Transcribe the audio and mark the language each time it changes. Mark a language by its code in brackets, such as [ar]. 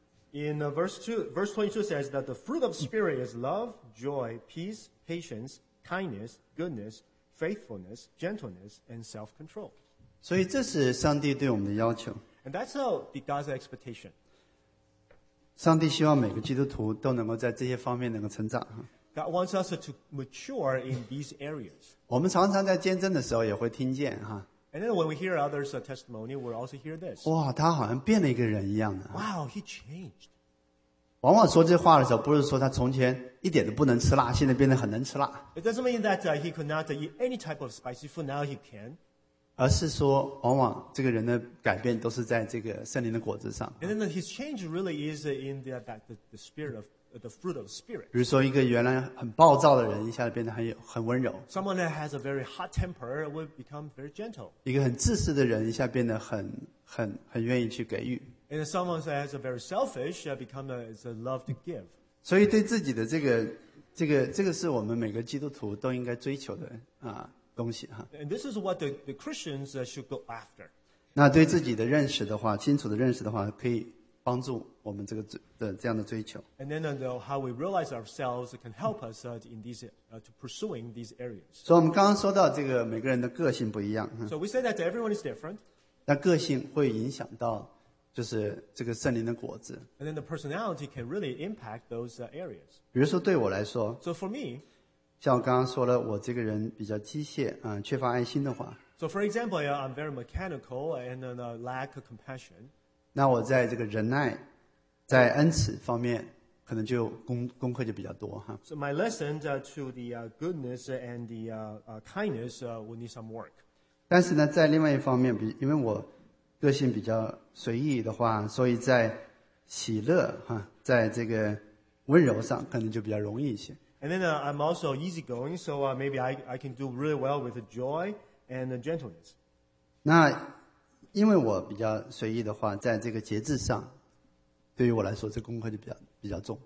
[en] In verse 22 says that the fruit of Spirit is love, joy, peace, patience, kindness, goodness, faithfulness, gentleness, and self-control. [zh] 所以这是上帝对我们的要求。 [en] And that's how the God's expectation. [zh] 上帝希望每个基督徒都能够在这些方面能够成长。 [en] God wants us to mature in these areas. [zh] 我们常常在见证的时候也会听见哈。 [en] And then when we hear others' testimony, we'll also hear this. [zh] 哇，他好像变了一个人一样的。 [en] Wow, he changed. [zh] 往往说这话的时候，不是说他从前一点都不能吃辣，现在变得很能吃辣。 [en] It doesn't mean that he could not eat any type of spicy food. Now he can. [zh] 而是说，往往这个人的改变都是在这个圣灵的果子上。 [en] And then his change really is in the spirit of the fruit of spirit. [zh] 比如说，一个原来很暴躁的人，一下子变得很温柔。 [en] Someone that has a very hot temper will become very gentle. [zh] 一个很自私的人，一下变得很愿意去给予。 [en] And someone that has a very selfish become a love to give. [zh] 所以，对自己的这个是我们每个基督徒都应该追求的啊东西哈。 [en] And this is what the Christians should go after. [zh] 那对自己的认识的话，清楚的认识的话，可以帮助我们这个的这样的追求。 [en] And then how we realize ourselves can help us in these to pursuing these areas. [zh] 所以我们刚刚说到这个每个人的个性不一样。 [en] So we say that everyone is different. [zh] 那个性会影响到就是这个圣灵的果子。 [en] And then the personality can really impact those areas. [zh] 比如说对我来说。 [en] So for me, [zh] 像我刚刚说了，我这个人比较机械，缺乏爱心的话。 [en] So for example, I'm very mechanical and lack compassion. [zh] 那我在这个忍耐在恩慈方面可能就 功课就比较多哈。 [en] So my lesson to the goodness and the kindness will need some work. [zh] 但是呢在另外一方面因为我个性比较随意的话所以在喜乐哈在这个温柔上可能就比较容易一些。 [en] And then I'm also easygoing, so maybe I can do really well with joy and gentleness. [zh] 那因为我比较随意的话在这个节制上对于我来说这功课就比较重。